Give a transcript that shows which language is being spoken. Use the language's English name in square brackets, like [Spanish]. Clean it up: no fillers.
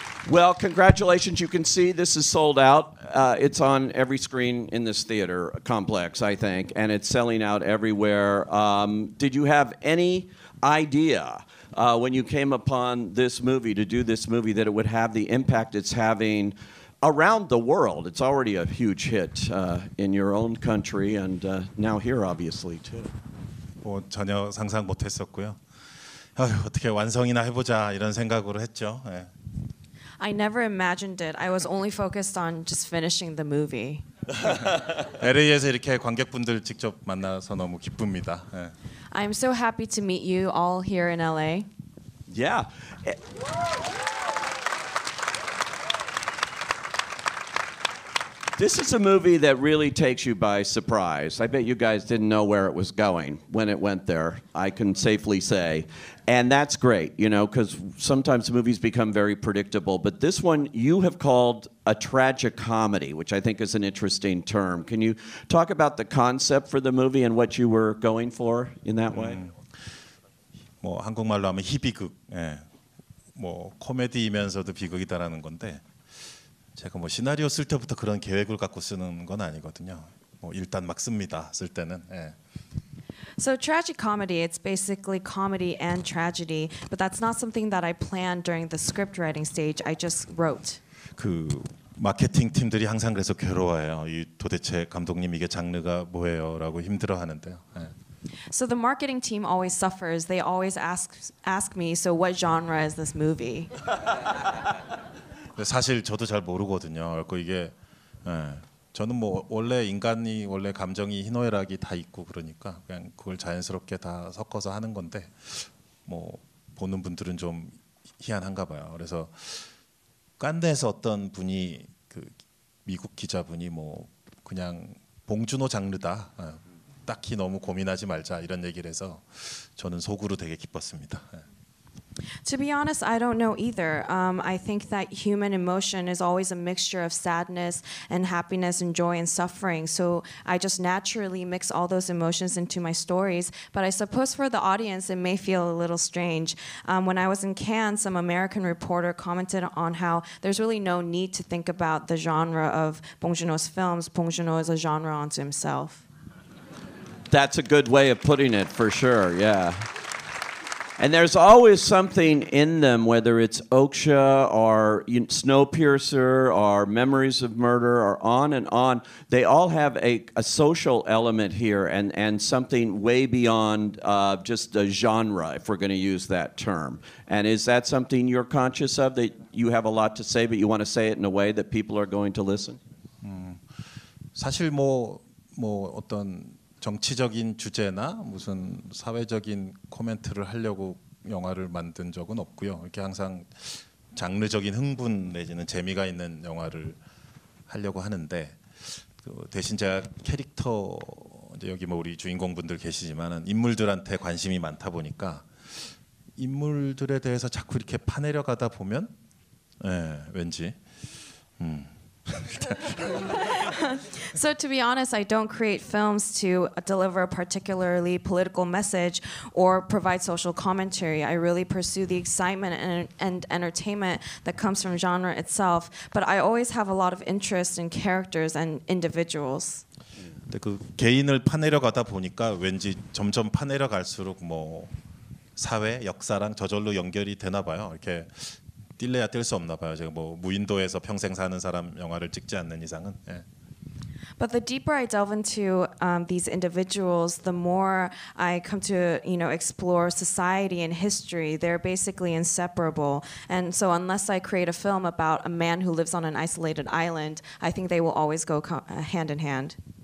[English] Well, congratulations. You can see this is sold out. It's on every screen in this theater complex, I think, and it's selling out everywhere. Did you have any idea when you came upon this movie, to do this movie, that it would have the impact it's having around the world? It's already a huge hit in your own country and now here, obviously, too. [Korean] 뭐 전혀 상상 못했었고요. 어떻게 완성이나 해보자 이런 생각으로 했죠. [English] I never imagined it. I was only focused on just finishing the movie. [Korean] LA에서 이렇게 관객분들 직접 만나서 너무 기쁩니다. [English] I'm so happy to meet you all here in LA. Yeah. This is a movie that really takes you by surprise. I bet you guys didn't know where it was going when it went there, I can safely say. And that's great, you know, because sometimes movies become very predictable. But this one you have called a tragicomedy, which I think is an interesting term. Can you talk about the concept for the movie and what you were going for in that way? [Korean] 뭐 한국말로 하면 희비극. 예. 뭐 코미디이면서도 비극이다라는 건데 제가 뭐 시나리오 쓸 때부터 그런 계획을 갖고 쓰는 건 아니거든요. 뭐 일단 막 씁니다. 쓸 때는. 예. [English] So tragicomedy, it's basically comedy and tragedy, but that's not something that I planned during the script writing stage. I just wrote. [Korean] 그 마케팅 팀들이 항상 그래서 괴로워해요. 이 도대체 감독님 이게 장르가 뭐예요라고 힘들어하는데요. 예. [English] So the marketing team always suffers. They always ask me, so what genre is this movie? [Korean] 사실 저도 잘 모르거든요. 그 이게 예. 저는 뭐 원래 인간이 원래 감정이 희노애락이 다 있고 그러니까 그냥 그걸 자연스럽게 다 섞어서 하는 건데 뭐 보는 분들은 좀 희한한가 봐요. 그래서 깐데에서 어떤 분이 그 미국 기자분이 뭐 그냥 봉준호 장르다. 딱히 너무 고민하지 말자 이런 얘기를 해서 저는 속으로 되게 기뻤습니다. [English] To be honest, I don't know either. I think that human emotion is always a mixture of sadness and happiness and joy and suffering. So I just naturally mix all those emotions into my stories. But I suppose for the audience, it may feel a little strange. When I was in Cannes, some American reporter commented on how there's really no need to think about the genre of Bong Joon-ho's films. Bong Joon-ho is a genre unto himself. That's a good way of putting it, for sure, yeah. And there's always something in them, whether it's Oksha or Snowpiercer or Memories of Murder or on and on. They all have a social element here and something way beyond just a genre, if we're going to use that term. And is that something you're conscious of, that you have a lot to say, but you want to say it in a way that people are going to listen? [Korean] 사실 뭐 어떤 정치적인 주제나 무슨 사회적인 코멘트를 하려고 영화를 만든 적은 없고요. 이렇게 항상 장르적인 흥분 내지는 재미가 있는 영화를 하려고 하는데 그 대신 제가 캐릭터 이제 여기 뭐 우리 주인공분들 계시지만은 인물들한테 관심이 많다 보니까 인물들에 대해서 자꾸 이렇게 파내려 가다 보면 예, 왠지 [English] So to be honest, I don't create films to deliver a particularly political message or provide social commentary. I really pursue the excitement and entertainment that comes from genre itself. But I always have a lot of interest in characters and individuals. [Korean] 근데 그 개인을 파내려가다 보니까 왠지 점점 파내려갈수록 뭐 사회, 역사랑 저절로 연결이 되나 봐요. 이렇게 뛸래야 뛸 수 없나 봐요. 제가 뭐 무인도에서 평생 사는 사람 영화를 찍지 않는 이상은. 예. [English] But the deeper I delve into these individuals, the more I come to, you know, explore society and history. They're basically inseparable. And so unless I create a film about a man who lives on an isolated island, I think they will always go hand in hand.